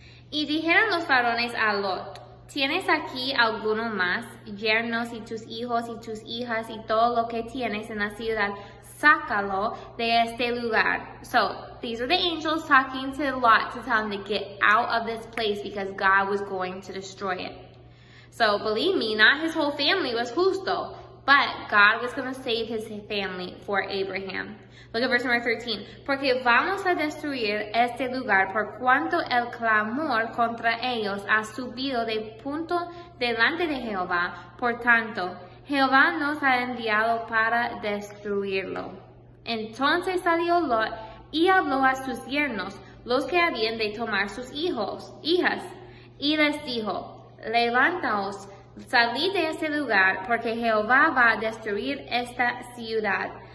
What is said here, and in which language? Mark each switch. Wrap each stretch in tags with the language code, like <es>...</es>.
<es>Y dijeron los varones a Lot, ¿tienes aquí alguno más, yernos y tus hijos y tus hijas y todo lo que tienes en la ciudad? Sácalo de este lugar.</es> <en>So, these are the angels talking to Lot to tell him to get out of this place because God was going to destroy it. So, believe me, not his whole family was justo, but God was going to save his family for Abraham. Look at verse number 13.</en> <es>Porque vamos a destruir este lugar por cuanto el clamor contra ellos ha subido de punto delante de Jehová. Por tanto, Jehová nos ha enviado para destruirlo. Entonces salió Lot y habló a sus yernos, los que habían de tomar sus hijos, hijas, y les dijo, levantaos, salid de este lugar, porque Jehová va a destruir esta ciudad.</es>